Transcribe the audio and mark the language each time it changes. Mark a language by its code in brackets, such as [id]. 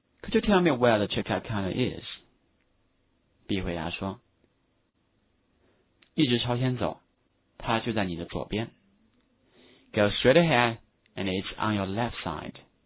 [en] Could you tell me where the checkout counter is? [zh] B 回答说，一直朝前走，它就在你的左边。 [en] Go straight ahead, and it's on your left side.